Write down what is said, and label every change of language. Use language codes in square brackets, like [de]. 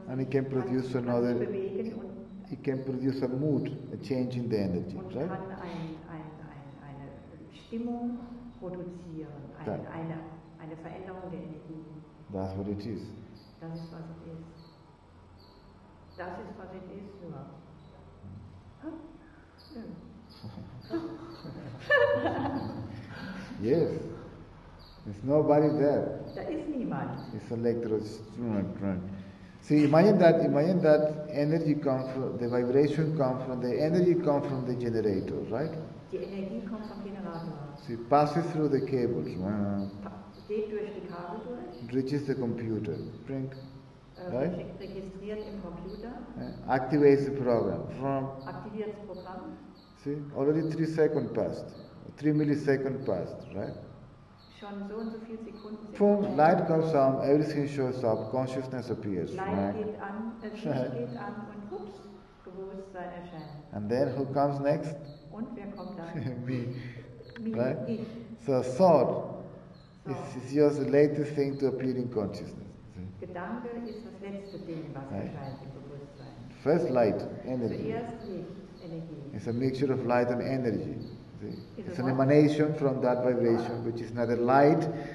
[en] and it can produce another [de] bewegen, [en] it can produce a mood, a change in the energy, [de] und [en] right? [de] Kann eine Stimmung produzieren, eine Veränderung der Energie. [en] That's what it is. [de] Das ist, was es ist. Das ist, was es ist, nur. [en] Yes. There's nobody there. [de] Da ist niemand. [en] It's electrostrum. See, imagine that energy comes from the vibration comes from the energy comes from the generator, right? [de] Die Energie kommt vom Generator. [en] See, passes through the cables. [de] Geht durch die Kabel durch. [en] reaches the computer, print, right? [de] Registriert im Computer. [en] Yeah. Activates the program. From. [de] Aktiviert das Programm. [en] See, already 3 seconds passed, 3 milliseconds passed, right? [de] Schon so und so viele Sekunden. [en] Boom, light comes on, everything shows up, consciousness appears. [de] Light geht an, Licht geht an und hups, Bewusstsein erscheint. [en] And then who comes next? [de] Und wer kommt dann? [en] Me. Right? So thought is just the latest thing to appear in consciousness. [de] Gedanke ist das letzte Ding, was erscheint im Bewusstsein. [en] First light, energy. [de] Zuerst Licht, Energie. [en] It's a mixture of light and energy. See? It's an emanation from that vibration, which is neither light.